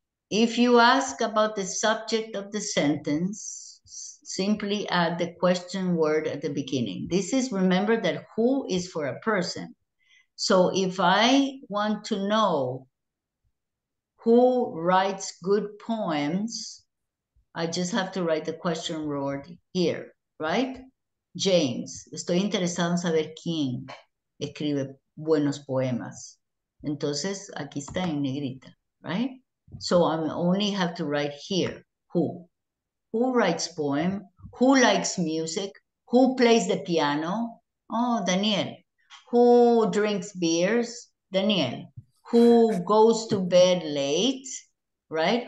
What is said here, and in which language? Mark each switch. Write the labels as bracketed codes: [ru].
[en] If you ask about the subject of the sentence, simply add the question word at the beginning. This is, remember that who is for a person. So if I want to know who writes good poems, I just have to write the question word here, right? [es] James, estoy interesado en saber quién escribe buenos poemas. Entonces, aquí está en negrita, right? [en] So I only have to write here, who. Who writes poem? Who likes music? Who plays the piano? Oh, Daniel. Who drinks beers? Daniel. Who goes to bed late? Right?